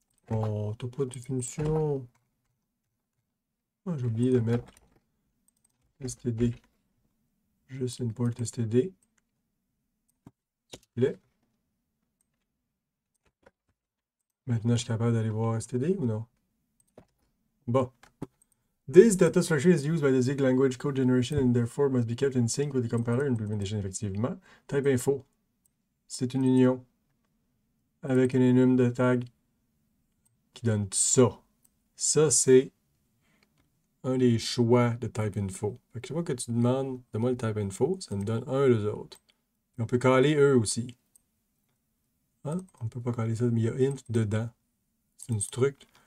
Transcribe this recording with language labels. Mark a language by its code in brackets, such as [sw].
[fr] Oh, topo définition. Oh, j'ai oublié de mettre std. Juste import std. S'il vous plaît. Maintenant, je suis capable d'aller voir std ou non? Bon. [en] This data structure is used by the Zig language code generation and therefore must be kept in sync with the compiler implementation, [fr] effectivement. Type info. C'est une union. Avec une énum de tag qui donne ça. Ça, c'est un des choix de type info. Fait que chaque fois que tu demandes de moi le type info, ça me donne un des autres. Et on peut caler eux aussi. Hein? On ne peut pas caler ça, mais il y a int dedans. C'est une struct.